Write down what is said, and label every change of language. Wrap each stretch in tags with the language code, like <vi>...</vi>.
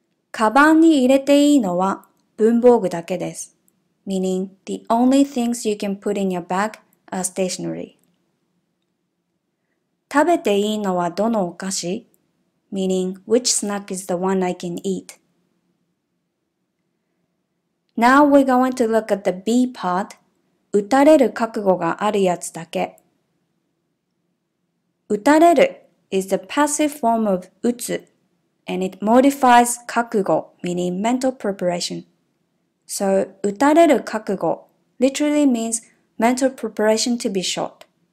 <ja>カバンに入れていいのは文房具だけです。</ja> <en>Meaning, the only things you can put in your bag are stationery.</en> <ja>食べていいのはどのお菓子?</ja> <en>Meaning, which snack is the one I can eat? Now we're going to look at the B part.</en> <ja>撃たれる覚悟があるやつだけ。</ja> <en>撃たれるis the passive form of 撃つ, and it modifies 覚悟, meaning mental preparation. So, 撃たれる覚悟 literally means mental preparation to be shot.</en>